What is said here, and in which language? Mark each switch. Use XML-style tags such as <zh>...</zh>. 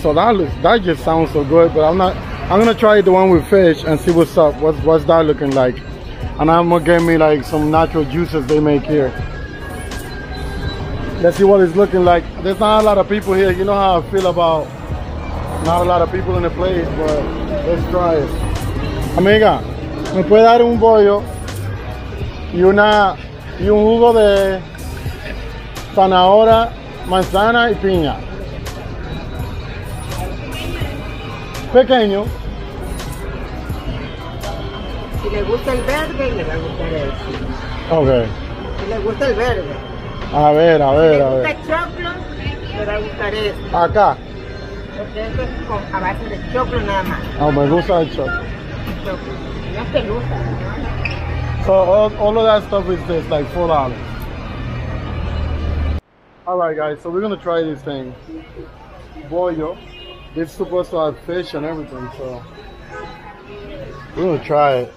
<en>So that just sounds so good. But I'm gonna try the one with fish and see what's up. What's that looking like? And I'm gonna get me like some natural juices they make here. Let's see what it's looking like. There's not a lot of people here. You know how I feel about not a lot of people in the place, but let's try it.</en> <es>Amiga, me puede dar un bollo y una. Y un jugo de zanahoria, manzana y piña. Pequeño. Si le gusta el verde, le va a gustar eso. Ok. Si le gusta el verde. A ver, a ver, a ver. Si le gusta choclo, le va a gustar eso. Acá. Porque eso es con, a base de choclo nada más. Oh, me gusta el choclo. Choclo. No te gusta, ¿no?</es> <en>So all of that stuff is just like $4. All right, guys, so we're gonna try this thing. Bollo. It's supposed to have fish and everything, so we're gonna try it.</en>